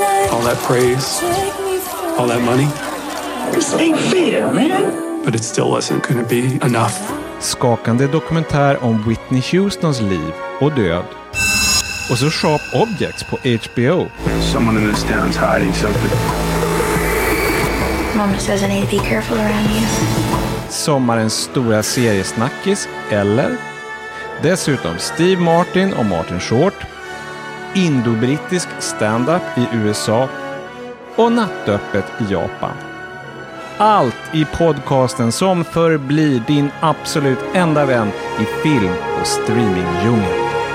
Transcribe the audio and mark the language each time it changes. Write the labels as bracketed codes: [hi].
[en] All that praise, all that money. This ain't fair, man. But it still wasn't gonna be enough. [sv] Skakande dokumentär om Whitney Houstons liv och död. Och så Sharp Objects på HBO. [en] Someone in this town is hiding something. Mom says I need to be careful around you. [sv] Sommarens stora seriesnackis, eller? Dessutom Steve Martin och Martin Short. Indo-brittisk stand-up i USA. Och nattöppet i Japan. Allt i podcasten som förblir din absolut enda vän i film- och streamingdjungeln.